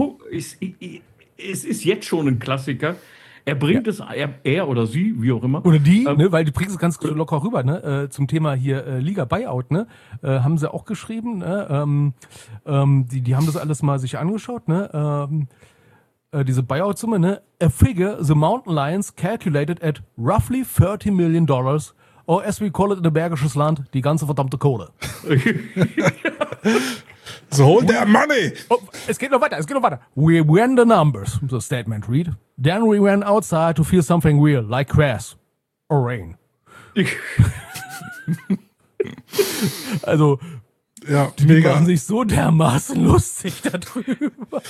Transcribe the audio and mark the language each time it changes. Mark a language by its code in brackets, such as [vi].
[de] Es ist jetzt schon ein Klassiker. Er bringt es, er oder sie, wie auch immer. Oder die, ne, weil die bringen es ganz locker rüber, ne? Zum Thema hier Liga-Buyout, ne? Haben sie auch geschrieben, ne? Die haben das alles mal sich angeschaut, ne? Diese Buyout-Summe, ne? [en] A figure the Mountain Lions calculated at roughly $30 million. Oh, as we call it in the Bergisches Land, [de] die ganze verdammte Kohle. [en] So hold their money. [de] Oh, es geht noch weiter. [en] We ran the numbers, the statement read. Then we ran outside to feel something real, like grass or rain. [de] Also, ja, die machen sich so dermaßen lustig darüber.